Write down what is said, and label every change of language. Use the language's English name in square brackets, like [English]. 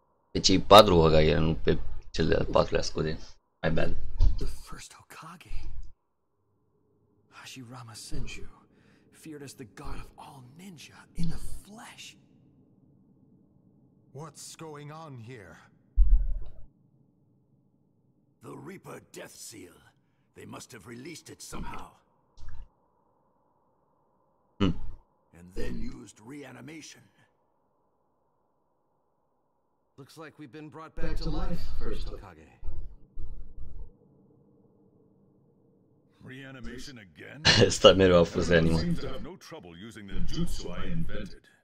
[Romanian] Pe cei patru Hokage, nu pe cel de-al patrulea, scuze. [English] My bad. The first Hokage. Hashirama Senju, feared as the god of all ninja in the flesh. What's going on here? The Reaper Death Seal. They must have released it somehow. Hmm. And then used reanimation. Looks like we've been brought back to life, first Hokage. Reanimation again? [Romanian] Asta mereu a fost reanimat.